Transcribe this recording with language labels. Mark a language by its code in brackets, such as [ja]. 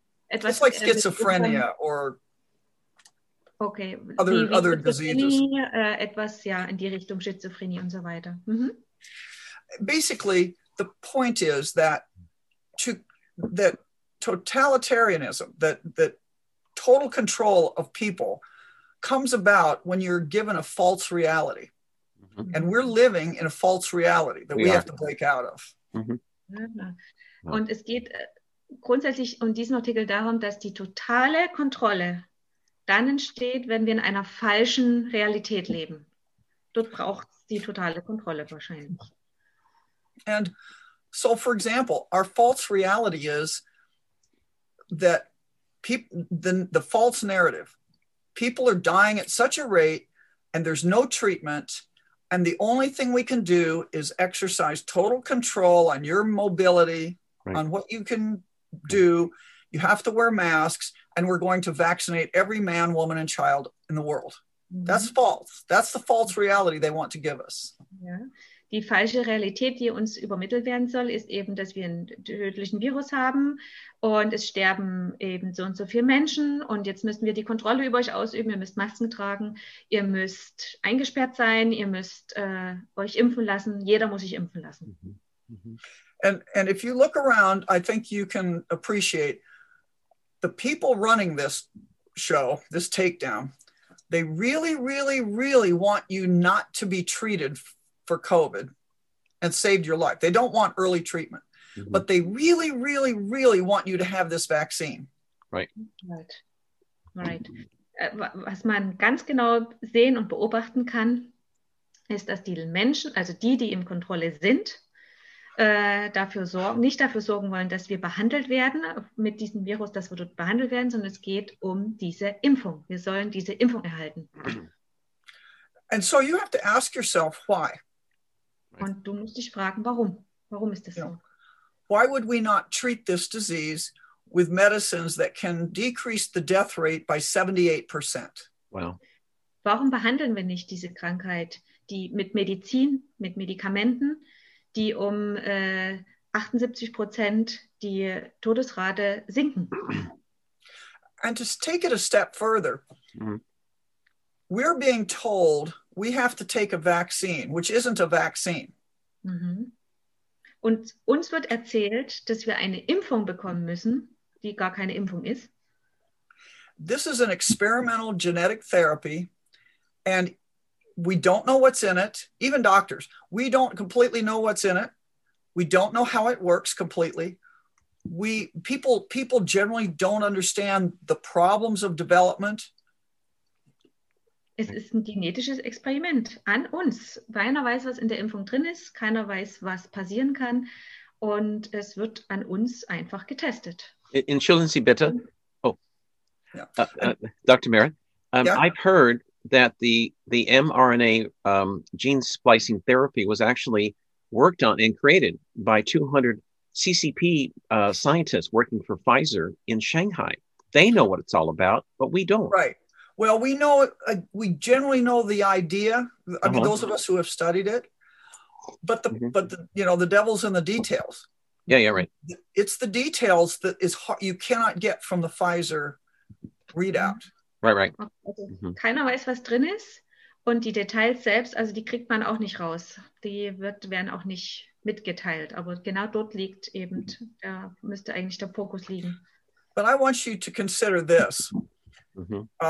[en] It's like schizophrenia or okay. other diseases. [de] In die Richtung Schizophrenie und so weiter. Mm-hmm. [en] Basically, the point is that totalitarianism, that total control of people comes about when you're given a false reality. Mm-hmm. And we're living in a false reality that we have to break out of. Mm-hmm. [de] Und es geht grundsätzlich um diesen Artikel darum, dass die totale Kontrolle dann entsteht, wenn wir in einer falschen Realität leben. Dort braucht es die totale Kontrolle wahrscheinlich. [en] And so, for example, our false reality is that the false narrative. People are dying at such a rate and there's no treatment and the only thing we can do is exercise total control on your mobility, right, on what you can do. You have to wear masks and we're going to vaccinate every man, woman and child in the world. Mm-hmm. That's false. That's the false reality they want to give us. Yeah. [de] Die falsche Realität, die uns übermittelt werden soll, ist eben, dass wir einen tödlichen Virus haben. Und es sterben eben so und so viele Menschen und jetzt müssen wir die Kontrolle über euch ausüben. Ihr müsst Masken tragen, ihr müsst eingesperrt sein, ihr müsst euch impfen lassen. Jeder muss sich impfen lassen. [en] And if you look around, I think you can appreciate the people running this show, this takedown. They really, really, really want you not to be treated for COVID and saved your life. They don't want early treatment. Mm-hmm. But they really, really, really want you to have this vaccine. Right. Right. Right. [de] Was man ganz genau sehen und beobachten kann, ist, dass die Menschen, also die, die in Kontrolle sind, nicht dafür sorgen wollen, dass wir behandelt werden mit diesem Virus, dass wir dort behandelt werden, sondern es geht um diese Impfung. Wir sollen diese Impfung erhalten. [en] And so you have to ask yourself, why? [de] Und du musst dich fragen, warum? Warum ist das so? [en] Why would we not treat this disease with medicines that can decrease the death rate by 78%? Wow. [de] Warum behandeln wir nicht diese Krankheit, die mit Medizin, mit Medikamenten, die um 78% die Todesrate sinken. [en] And to take it a step further, mm-hmm. we're being told we have to take a vaccine, which isn't a vaccine. Mm-hmm. [de] Und uns wird erzählt, dass wir eine Impfung bekommen müssen, die gar keine Impfung ist. [en] This is an experimental genetic therapy, and we don't know what's in it. Even doctors, we don't completely know what's in it. We don't know how it works completely. People generally don't understand the problems of development. [de] Es ist ein genetisches Experiment an uns. Keiner weiß, was in der Impfung drin ist. Keiner weiß, was passieren kann. Und es wird an uns einfach getestet. Entschuldigen Sie bitte. [en] Oh, yeah. Dr. Merritt. Yeah. I've heard that the mRNA gene splicing therapy was actually worked on and created by 200 CCP scientists working for Pfizer in Shanghai. They know what it's all about, but we don't. Right. Well, we know, we generally know the idea. I mean, those of us who have studied it, but the devil's in the details. Yeah, right. It's the details that is hard, you cannot get from the Pfizer readout. Right. Okay. [de] Keiner weiß, was drin ist, und die Details selbst, also die kriegt man auch nicht raus. Die werden auch nicht mitgeteilt. Aber genau dort liegt eben, da müsste eigentlich der Fokus liegen. [en] But I want you to consider this. Mm-hmm.